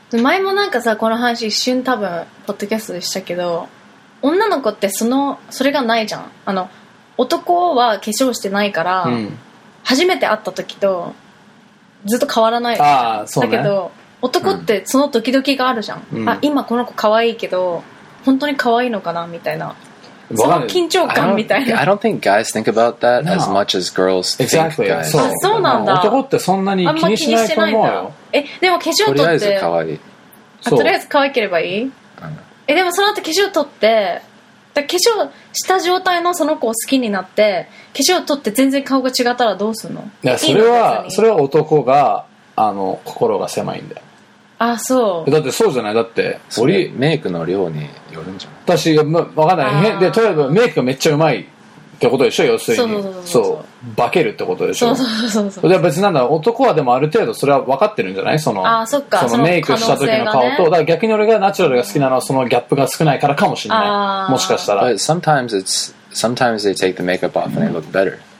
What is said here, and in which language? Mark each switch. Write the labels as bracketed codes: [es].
[ja] 前もなんかさ、この話一瞬多分、ポッドキャストでしたけど、女の子ってその、それがないじゃん。あの、男は化粧してないから、うん、初めて会った時と、ずっと変わらない。あ、そう、ね、だけど、男ってそのドキドキがあるじゃん。うん、あ、今この子可愛いけど、本当に可愛いのかなみたいな。その緊張感みたいな。 [en] I don't think guys think about that as much as girls think. Exactly. [ja] そう。あ、そうなんだ。男ってそんなに気にしないと思うよ。え、でも化粧取って。とりあえず可愛い。あ、とりあえず可愛ければいい？え、でもその後化粧取って、だ化粧した状態のその子を好きになって化粧を取って全然顔が違ったらどうするの？いや、それはそれは男が、あの、心が狭いんだよ。あ、そう。だってそうじゃない、だってそれメイクの量によるんじゃない？私、ま、分かんない。で、例えばメイクがめっちゃうまいってことでしょ、要するに。そうそうそうそう、そう、化けるってことでしょ。そうそうそうそう。別になんだ、男はでもある程度それは分かってるんじゃない？その、あ、そっか、そのメイクした時の顔と、ね、だから逆に俺がナチュラルが好きなのはそのギャップが少ないからかもしれない。もしかしたら。 [en] But sometimes it's, sometimes they take the makeup off and they look better.